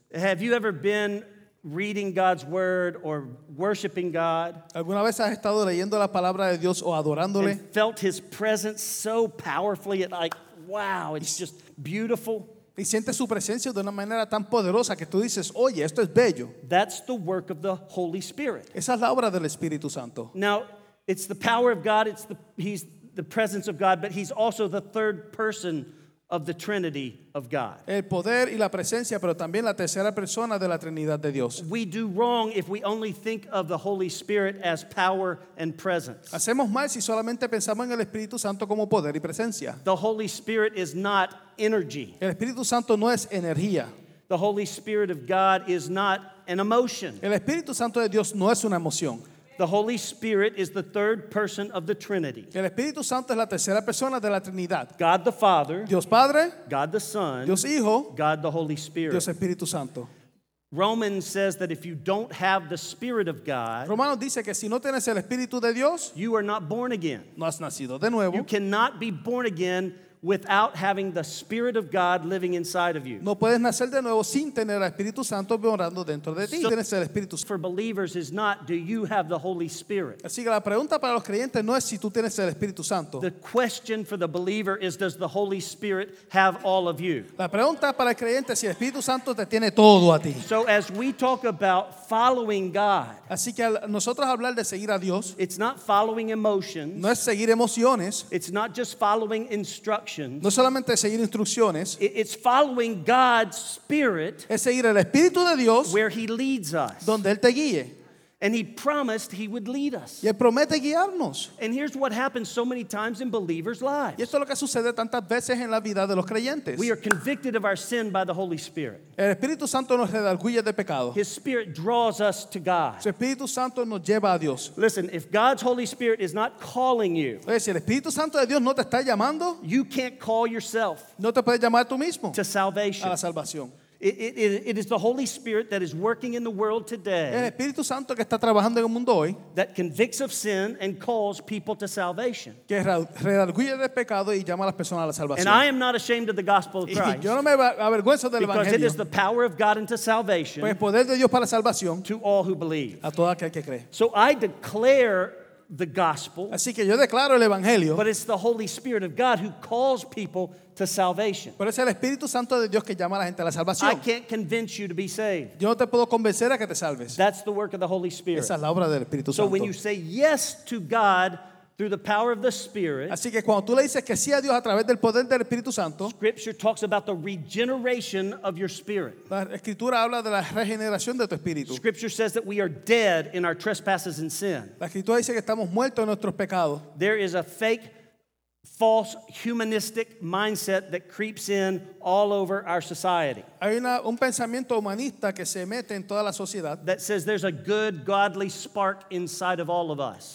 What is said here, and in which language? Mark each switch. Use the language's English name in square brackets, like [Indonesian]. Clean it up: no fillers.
[English] Have you ever been reading God's word or worshiping God? [Spanish] ¿Alguna vez has estado leyendo la palabra de Dios o adorándole? [English] And felt his presence so powerfully, it like, wow, it's just beautiful. [Spanish] Y sientes su presencia de una manera tan poderosa que tú dices, oye, esto es bello. [English] That's the work of the Holy Spirit. [Spanish] Esa es la obra del Espíritu Santo. [English] Now, it's the power of God, he's the presence of God, but he's also the third person of the Trinity of God. [Spanish] El poder y la presencia, pero también la tercera persona de la Trinidad de Dios. [English] We do wrong if we only think of the Holy Spirit as power and presence. [Spanish] Hacemos mal si solamente pensamos en el Espíritu Santo como poder y presencia. [English] The Holy Spirit is not energy. [Spanish] El Espíritu Santo no es energía. [English] The Holy Spirit of God is not an emotion. [Spanish] El Espíritu Santo de Dios no es una emoción. [English] The Holy Spirit is the third person of the Trinity. [Spanish] El Espíritu Santo es la tercera persona de la Trinidad. [English] God the Father. [Spanish] Dios Padre. [English] God the Son. [Spanish] Dios Hijo. [English] God the Holy Spirit. [Spanish] Dios Espíritu Santo. [English] Romans says that if you don't have the Spirit of God, [Spanish] Romanos dice que si no tienes el Espíritu de Dios, [English] you are not born again. [Spanish] No has nacido de nuevo. [English] You cannot be born again without having the Spirit of God living inside of you. [Spanish] No puedes nacer de nuevo sin tener al Espíritu Santo morando dentro de ti. [English] So, [Spanish] tienes el Espíritu [English] Santo. For believers is not, do you have the Holy Spirit? [Spanish] Así que la pregunta para los creyentes no es si tú tienes el Espíritu Santo. [English] The question for the believer is, does the Holy Spirit have all of you? [Spanish] La pregunta para el creyente es si el Espíritu Santo te tiene todo a ti. [English] So as we talk about following God, [Spanish] así que al nosotros hablar de seguir a Dios, [English] it's not following emotions. [Spanish] No es seguir emociones. [English] It's not just following instructions. [Spanish] No solamente seguir instrucciones. [English] It's following God's Spirit. [Spanish] Es seguir el Espíritu de Dios. [English] Where he leads us. [Spanish] Donde él te guíe. [English] And he promised he would lead us. [Spanish] Y él promete guiarnos. [English] And here's what happens so many times in believers' lives. [Spanish] Y esto es lo que sucede tantas veces en la vida de los creyentes. [English] We are convicted of our sin by the Holy Spirit. [Spanish] El Espíritu Santo nos redarguye de pecado. [English] His Spirit draws us to God. [Spanish] Su Espíritu Santo nos lleva a Dios. [English] Listen, if God's Holy Spirit is not calling you, [Spanish] oye, si el Espíritu Santo de Dios no te está llamando, [English] you can't call yourself. [Spanish] No te puedes llamar tú mismo. [English] To salvation. [Spanish] A la salvación. [English] It is the Holy Spirit that is working in the world today. [Spanish] El Espíritu Santo que está trabajando en el mundo hoy. [English] That convicts of sin and calls people to salvation. [Spanish] Que redarguye de pecado y llama a las personas a la salvación. [English] And I am not ashamed of the gospel of Christ. [Spanish] Yo no me avergüenzo del evangelio. [English] Because it is the power of God into salvation. [Spanish] Pues el poder de Dios para salvación. [English] To all who believe. [Spanish] A todo aquel que cree. [English] So I declare the gospel. [Spanish] Así que yo declaro el evangelio. [English] But it's the Holy Spirit of God who calls people to salvation. [Spanish] Pero es el Espíritu Santo de Dios que llama a la gente a la salvación. [English] I can't convince you to be saved. [Spanish] Yo no te puedo convencer a que te salves. [English] That's the work of the Holy Spirit. [Spanish] Esa es la obra del Espíritu Santo. [English] So when you say yes to God through the power of the Spirit. [Spanish] Así que cuando tú le dices que sí a Dios a través del poder del Espíritu Santo. [English] Scripture talks about the regeneration of your spirit. [Spanish] La escritura habla de la regeneración de tu espíritu. [English] Scripture says that we are dead in our trespasses and sin. [Spanish] La escritura dice que estamos muertos en nuestros pecados. [English] There is a fake false humanistic mindset that creeps in all over our society. [Spanish] Hay un pensamiento humanista que se mete en toda la sociedad. [English] That says there's a good godly spark inside of all of us.